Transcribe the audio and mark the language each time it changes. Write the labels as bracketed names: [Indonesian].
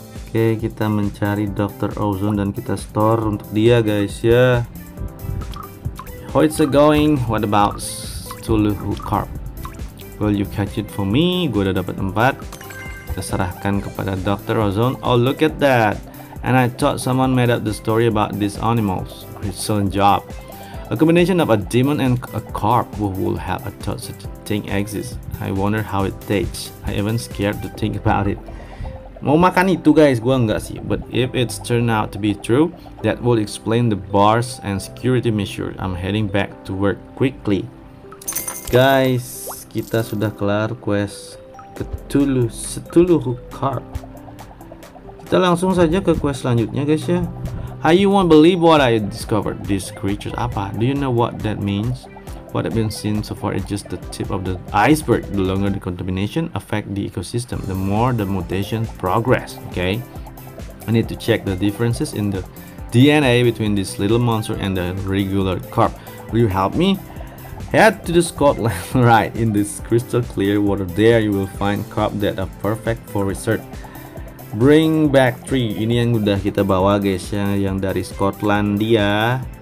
[Indonesian] Oke, kita mencari Dr. Ozone dan kita store untuk dia guys ya. [English] How it's going? What about Cthulhu Carp? Will you catch it for me? [Indonesian] Gue udah dapat 4. Kita serahkan kepada Dr. [English] Ozone. Oh, look at that. And I thought someone made up the story about these animals. Excellent job. A combination of a demon and a carp would have thought such a thing exists. I wonder how it tastes. I even scared to think about it. [Indonesian] Mau makan itu guys, gue enggak sih. [English] But if it's turned out to be true, that would explain the bars and security measure. I'm heading back to work quickly. [Indonesian] Guys, kita sudah kelar quest Cthulhu Carp. Kita langsung saja ke quest selanjutnya guys ya. [English] How you won't believe what I discovered. This creature apa? Do you know what that means? What I've been seeing so far is just the tip of the iceberg. The longer the contamination affect the ecosystem, the more the mutation progress. Okay, I need to check the differences in the DNA between this little monster and the regular carp. Will you help me? Head to the Scotland right in this crystal clear water. There you will find carp that are perfect for research. Bring back 3. [Indonesian] Ini yang udah kita bawa guys ya, yang dari Skotlandia.